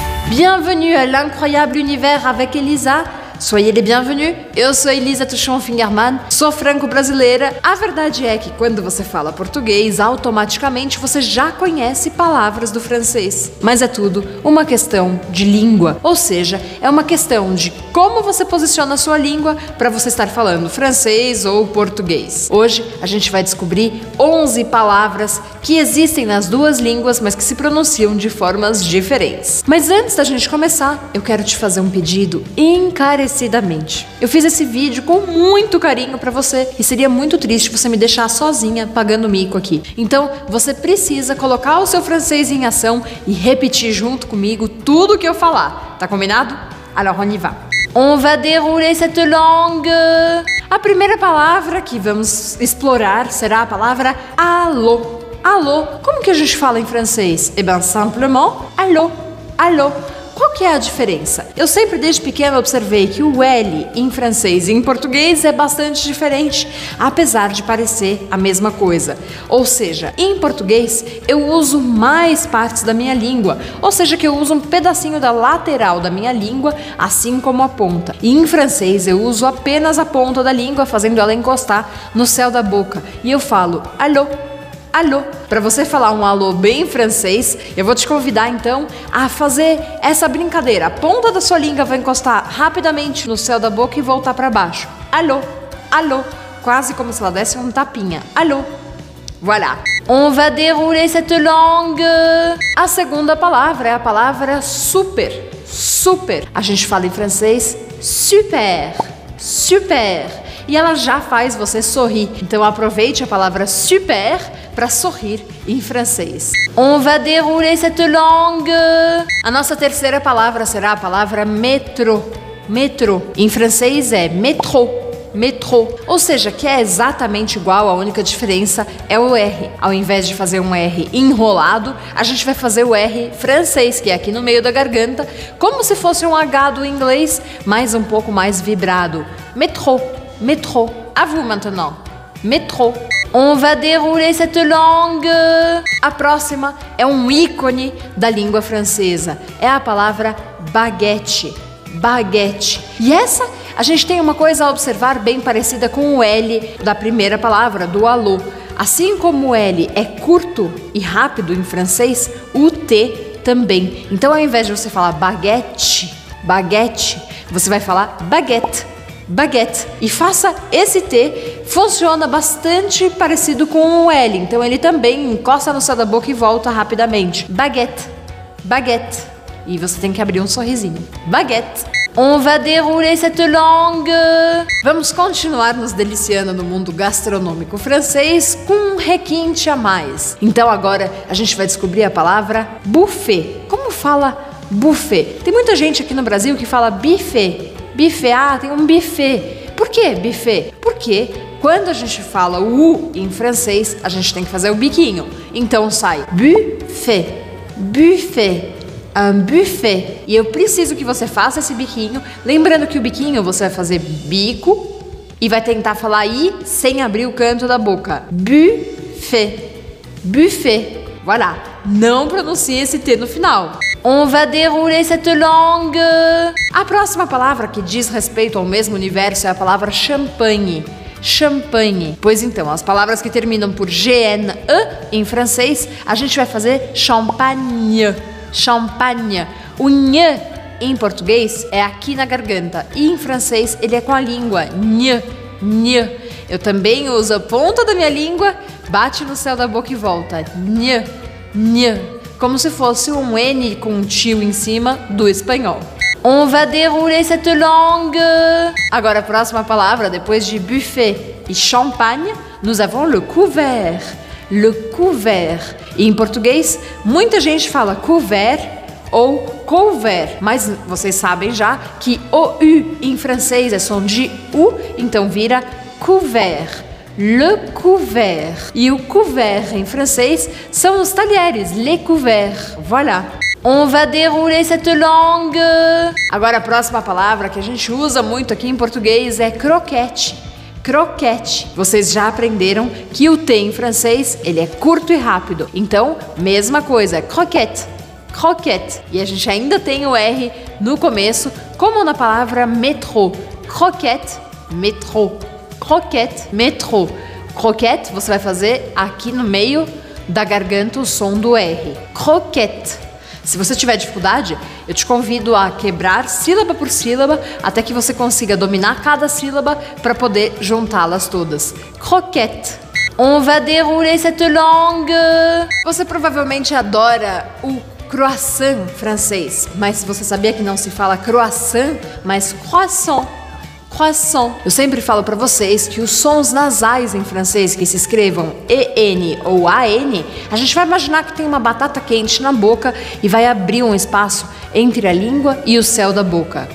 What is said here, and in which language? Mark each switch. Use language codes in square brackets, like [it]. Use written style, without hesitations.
[fr] Bienvenue à l'incroyable univers avec Elisa. Soyez les bienvenus. [pt] Eu sou Elisa Tuchon Fingerman, sou franco-brasileira. A verdade é que quando você fala português, automaticamente você já conhece palavras do francês. Mas é tudo uma questão de língua. Ou seja, é uma questão de como você posiciona a sua língua para você estar falando francês ou português. Hoje a gente vai descobrir 11 palavras que existem nas duas línguas, mas que se pronunciam de formas diferentes. Mas antes da gente começar, eu quero te fazer um pedido encarecidamente. Eu fiz esse vídeo com muito carinho pra você e seria muito triste você me deixar sozinha pagando mico aqui. Então, você precisa colocar o seu francês em ação e repetir junto comigo tudo que eu falar. Tá combinado? [fr] Alors, on y va. On va dérouler cette langue. [pt] A primeira palavra que vamos explorar será a palavra allô. Allô, como que a gente fala em francês? [fr] Eh bien, simplement, allô, allô. [pt] Qual que é a diferença? Eu sempre, desde pequena, observei que o L em francês e em português é bastante diferente, apesar de parecer a mesma coisa. Ou seja, em português, eu uso mais partes da minha língua. Ou seja, que eu uso um pedacinho da lateral da minha língua, assim como a ponta. E em francês, eu uso apenas a ponta da língua, fazendo ela encostar no céu da boca. E eu falo, allô. Alô. Para você falar um alô bem francês, eu vou te convidar então a fazer essa brincadeira. A ponta da sua língua vai encostar rapidamente no céu da boca e voltar para baixo. Alô. Alô. Quase como se ela desse um tapinha. [fr] Alô. Voilà. On va dérouler cette langue. [pt] A segunda palavra é a palavra super. Super. A gente fala em francês super. Super. E ela já faz você sorrir. Então aproveite a palavra super para sorrir em francês. [fr] On va dérouler cette langue. [pt] A nossa terceira palavra será a palavra métro. Métro. Em francês é métro. Métro. Ou seja, que é exatamente igual, a única diferença é o R. Ao invés de fazer um R enrolado, a gente vai fazer o R francês, que é aqui no meio da garganta, como se fosse um H do inglês, mas um pouco mais vibrado. [fr] Métro. Métro. A vous maintenant. Métro. On va dérouler cette langue. [pt] A próxima é um ícone da língua francesa. É a palavra baguette. Baguette. E essa, a gente tem uma coisa a observar bem parecida com o L da primeira palavra, do alô. Assim como o L é curto e rápido em francês, o T também. Então, ao invés de você falar baguette, baguette, você vai falar baguette. Baguette. E faça esse T, funciona bastante parecido com o L. Então ele também encosta no céu da boca e volta rapidamente. Baguette. Baguette. E você tem que abrir um sorrisinho. [fr] Baguette. On va dérouler cette langue. [pt] Vamos continuar nos deliciando no mundo gastronômico francês com um requinte a mais. Então agora a gente vai descobrir a palavra buffet. Como fala buffet? Tem muita gente aqui no Brasil que fala buffet. Buffet, ah, tem um buffet. Por que buffet? Porque quando a gente fala U em francês, a gente tem que fazer o biquinho. Então sai buffet, buffet, [fr] un buffet. [pt] E eu preciso que você faça esse biquinho. Lembrando que o biquinho você vai fazer bico e vai tentar falar I sem abrir o canto da boca. [fr] Buffet, buffet. Voilà. [pt] Não pronuncie esse T no final. [fr] On va dérouler cette langue. [pt] A próxima palavra que diz respeito ao mesmo universo é a palavra champagne. Champagne. Pois então, as palavras que terminam por G-N-E em francês, a gente vai fazer champagne. Champagne. O nhe em português é aqui na garganta e em francês ele é com a língua. Nhe, nhe. Eu também uso a ponta da minha língua, bate no céu da boca e volta. Nhe, nhe. Como se fosse um N com um tio em cima do espanhol. [fr] On va dérouler cette langue. [pt] Agora a próxima palavra, depois de buffet e champagne, [fr] nous avons le couvert. Le couvert. [pt] E em português, muita gente fala couvert ou couvert. Mas vocês sabem já que OU em francês é som de U, então vira couvert. [fr] Le couvert. [pt] E o couvert em francês são os talheres, [fr] les couverts. Voilà. On va dérouler cette langue. [pt] Agora a próxima palavra que a gente usa muito aqui em português é croquete. Croquete. Vocês já aprenderam que o T em francês, ele é curto e rápido. Então, mesma coisa, croquette. Croquette. E a gente ainda tem o R no começo, como na palavra métro. Croquette, métro. Croquette, métro. Croquette, você vai fazer aqui no meio da garganta o som do R. Croquette. Se você tiver dificuldade, eu te convido a quebrar sílaba por sílaba até que você consiga dominar cada sílaba para poder juntá-las todas. [fr] Croquette. On va dérouler cette langue. [pt] Você provavelmente adora o croissant francês, mas você sabia que não se fala croissant, mas croissant. Croissant. Eu sempre falo para vocês que os sons nasais em francês que se escrevam EN ou AN, a gente vai imaginar que tem uma batata quente na boca e vai abrir um espaço entre a língua e o céu da boca.